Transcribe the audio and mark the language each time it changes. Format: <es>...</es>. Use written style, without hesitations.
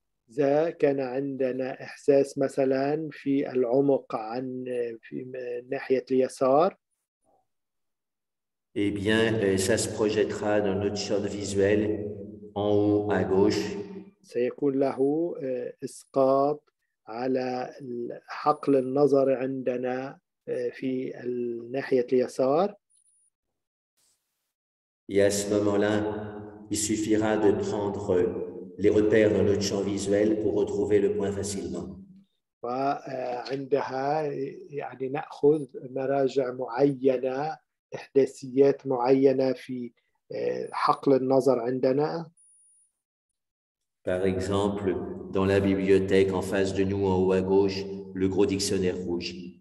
<ar>إذا كان عندنا إحساس مثلاً في العمق عن في ناحية اليسار.</ar> <fr>Eh bien, ça se projettera dans notre champ visuel en haut à gauche.</fr> <ar>سيكون له إسقاط على حقل النظر عندنا في ناحية اليسار.</ar> <fr>Et à ce moment-là, il suffira de prendre les repères dans notre champ visuel pour retrouver le point facilement.</fr> <ar>وعندها يعني نأخذ مراجع معينة إحداثيات معينة في حقل النظر عندنا.</ar> <fr>Par exemple, dans la bibliothèque en face de nous, en haut à gauche, le gros dictionnaire rouge.</fr>